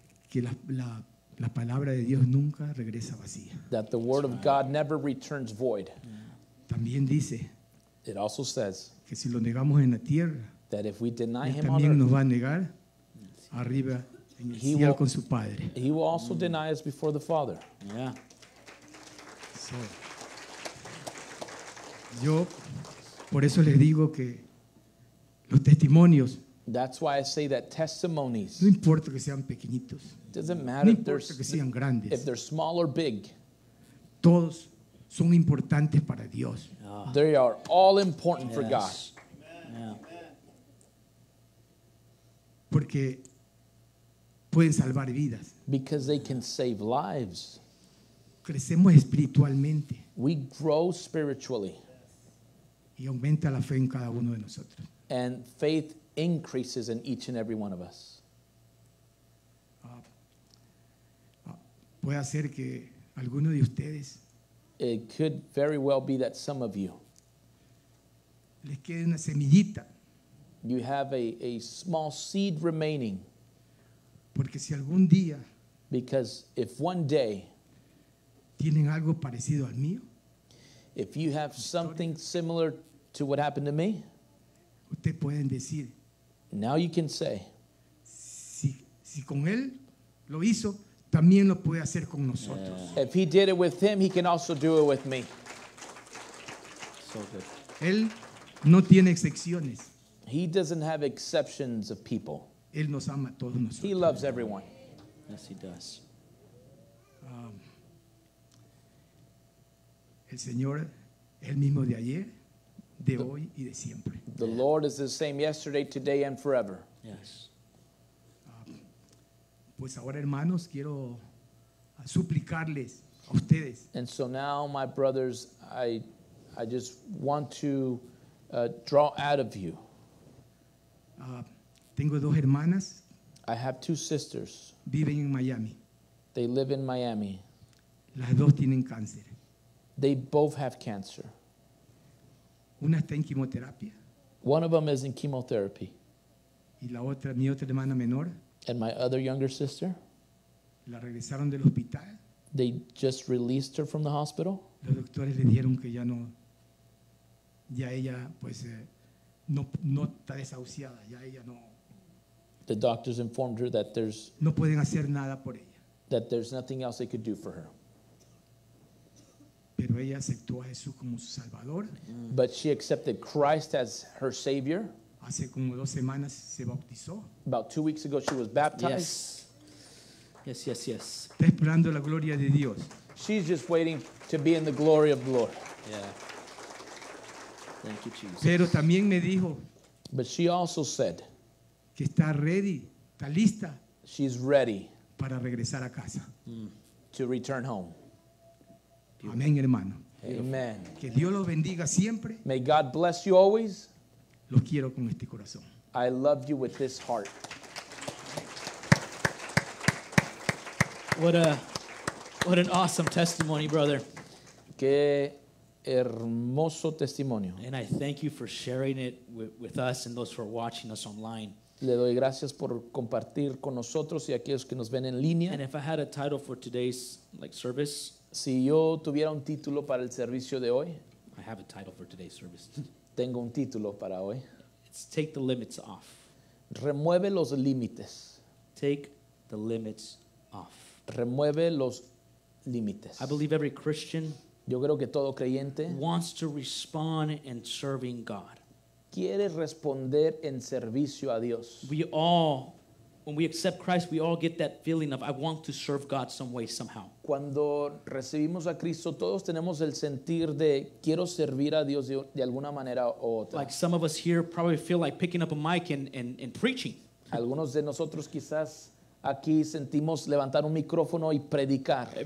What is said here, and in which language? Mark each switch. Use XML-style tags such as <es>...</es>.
<es>que la palabra de Dios nunca regresa vacía.</es> <en>That the word of God never returns void.</en> <es>También dice,</es> <en>it also says,</en> <es>que si lo negamos en la tierra,</es> <en>that if we deny</en> <es>él también</es> <en>him on</en> <es>nos</es> <en>earth,</en> <es>va a negar arriba en el cielo con su padre.</es> <en>He will also deny us before the Father. Yeah.</en> <es>So, yo por eso les digo que los testimonios,</es> <en>that's why I say that testimonies,</en> <es>no importa que sean pequeñitos,</es> <en>doesn't matter,</en> <es>no importa que sean grandes,</es> <en>if they're small or big,</en> <es>todos son importantes para Dios.</es> <en>Oh. They are all important, yes, for God. Amen. Yeah.</en> <es>Porque pueden salvar vidas.</es> <en>Because they can save lives.</en> <es>Crecemos espiritualmente.</es> <en>We grow spiritually.</en> <es>Y aumenta la fe en cada uno de nosotros.</es> <en>And faith increases in each and every one of us.</en> <es>Puede hacer que alguno de ustedes,</es> <en>it could very well be that some of you,</en> <es>les quede una semillita,</es> <en>you have a small seed remaining.</en> <es>Porque si algún día,</es> <en>because if one day,</en> <es>tienen algo parecido al mío,</es> <en>if you have something similar to what happened to me,</en> <es>usted pueden decir,</es> <en>now you can say,</en> <es>si con él lo hizo, también lo puede hacer con nosotros.</es> <en>Yeah. If he did it with him, he can also do it with me. So good.</en> <es>Él no tiene excepciones.</es> <en>He doesn't have exceptions of people.</en> <es>Él nos ama a todos nosotros.</es> <en>He loves everyone. Yes, he does.</en> <es>El Señor el mismo de ayer, de hoy y de siempre.</es> <en>The Lord is the same yesterday, today, and forever. Yes.</en> <es>Pues ahora, hermanos, quiero suplicarles a ustedes.</es> <en>And so now, my brothers, I just want to draw out of you.</en> <es>Tengo dos hermanas.</es> <en>I have two sisters.</en> <es>Viven en Miami.</es> <en>They live in Miami.</en> <es>Las dos tienen cáncer.</es> <en>They both have cancer.</en> <es>Una está en quimioterapia.</es> <en>One of them is in chemotherapy.</en> <es>Y la otra, mi otra hermana menor.</es> <en>And my other younger sister.</en> <es>La regresaron del hospital.</es> <en>They just released her from the hospital.</en> <es>Los doctores le dijeron que ya no, ya ella pues no está desahuciada, ya ella no.</es> <en>The doctors informed her that there's</en> <es>no pueden hacer nada por ella.</es> <en>That there's nothing else they could do for her.</en> <es>Pero ella aceptó a Jesús como su Salvador.</es> <en>But she accepted Christ as her Savior.</en> <es>Hace como dos semanas se bautizó.</es> <en>About 2 weeks ago she was baptized. Yes, yes, yes.</en> <es>Está esperando la gloria de Dios.</es> <en>She's just waiting to be in the glory of the Lord. Yeah. Thank you, Jesus.</en> <es>Pero también me dijo,</es> <en>but she also said,</en> <es>que está ready, está lista.</es> <en>She's ready.</en> <es>Para regresar a casa.</es> <en>To return home.</en> <es>Amén, hermano.</es> <en>Amen.</en> <es>Que Dios lo bendiga siempre.</es> <en>May God bless you always.</en> <es>Los quiero con este corazón.</es> <en>I love you with this heart. What an awesome testimony, brother.</en> <es>Qué hermoso testimonio.</es> <en>And I thank you for sharing it with us and those who are watching us online.</en> <es>Le doy gracias por compartir con nosotros y aquellos que nos ven en línea.</es> <en>And if I had a title for today's service,</en> <es>si yo tuviera un título para el servicio de hoy,</es> <en>I have a title for today's service.</en> <es>Tengo un título para hoy.</es> <en>It's take the limits off.</en> <es>Remueve los límites.</es> <en>Take the limits off.</en> <es>Remueve los límites.</es> <en>I believe every Christian,</en> <es>yo creo que todo creyente,</es> <en>wants to respond in serving God.</en> <es>Quiere responder en servicio a Dios.</es> <en>We all, when we accept Christ, we all get that feeling of I want to serve God some way, somehow.</en> <es>Cuando recibimos a Cristo, todos tenemos el sentir de quiero servir a Dios de alguna manera o otra.</es> <en>Like some of us here probably feel like picking up a mic and preaching.</en> <es>Algunos de nosotros quizás aquí sentimos levantar un micrófono y predicar.</es>